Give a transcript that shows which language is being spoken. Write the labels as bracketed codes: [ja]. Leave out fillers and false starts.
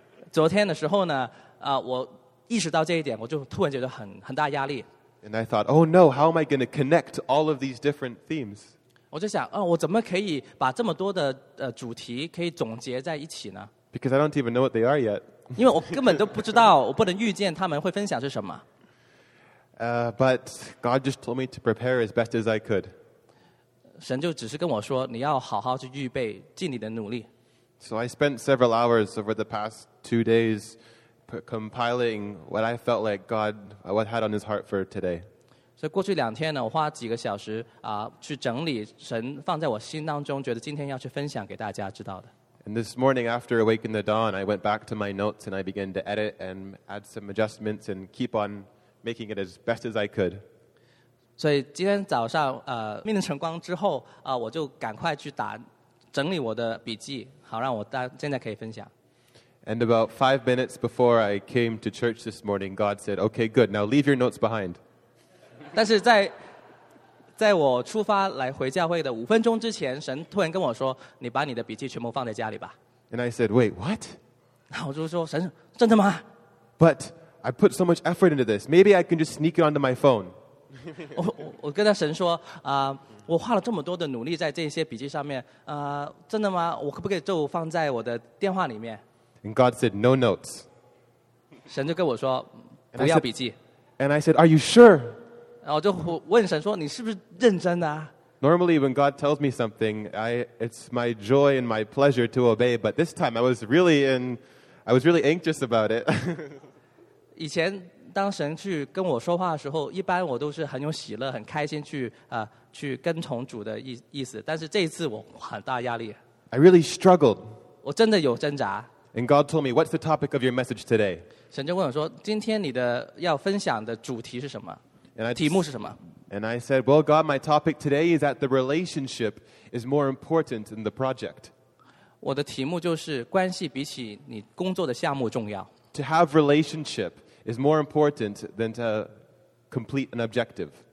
[zh] 昨天的时候呢，我意识到这一点，我就突然觉得很大压力。 [en] And I thought, oh no, how am I going to connect all of these different themes? [zh] 我就想，我怎么可以把这么多的主题可以总结在一起呢？ [en] Because I don't even know what they are yet. [zh] 因为我根本都不知道，我不能预见他们会分享是什么。 [en] But God just told me to prepare as best as I could. [zh] 神就只是跟我说，你要好好去预备，尽你的努力。 [en] So I spent several hours over the past 2 days compiling what I felt like God what had on His heart for today. [zh] 所以过去两天呢，我花几个小时去整理神放在我心当中，觉得今天要去分享给大家知道的。 [en] And this morning, after awake in the dawn, I went back to my notes and I began to edit and add some adjustments and keep on making it as best as I could. [zh] 所以今天早上命令晨光之后我就赶快去打整理我的笔记，好让我现在可以分享。 [en] And about 5 minutes before I came to church this morning, God said, "Okay, good. Now leave your notes behind." [zh] 但是在我出发来回教会的5分钟之前，神突然跟我说：“你把你的笔记全部放在家里吧。 [en] ”And I said, "Wait, what?" [zh] 然后我就说：“神，真的吗 [en] ？”But I put so much effort into this. Maybe I can just sneak it onto my phone. [zh] 我跟他神说我花了这么多的努力在这些笔记上面真的吗我可不可以就放在我的电话里面 [en] And God said, no notes. [zh] 神就跟我说不要笔记 [en] And I said, are you sure? [zh] 然后我就问神说你是不是认真的 [en] Normally when God tells me something, it's my joy and my pleasure to obey, but this time I was really anxious about it. [zh] 以前当神去跟我说话的时候，一般我都是很有喜乐、很开心去跟从主的意思。但是这一次我很大压力。 [en] I really struggled. [zh] 我真的有挣扎。 [en] And God told me, "What's the topic of your message today?" [zh] 神就问我说：“今天你的要分享的主题是什么？ [en] And [zh] 题目是什么 [en] ？”And I said, "Well, God, my topic today is that the relationship is more important than the project." [zh] 我的题目就是关系比起你工作的项目重要。 [en] To have relationship. Is more important than to complete an objective.